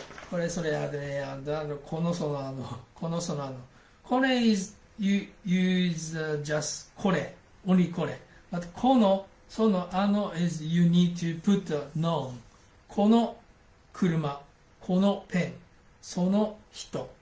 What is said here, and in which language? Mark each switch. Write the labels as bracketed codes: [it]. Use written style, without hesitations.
[ja] これそれあれ、このそのあの。 [en] これ is just これ、only これ。 But このそのあの is you need to put the noun. [ja] この車、このペン、その人。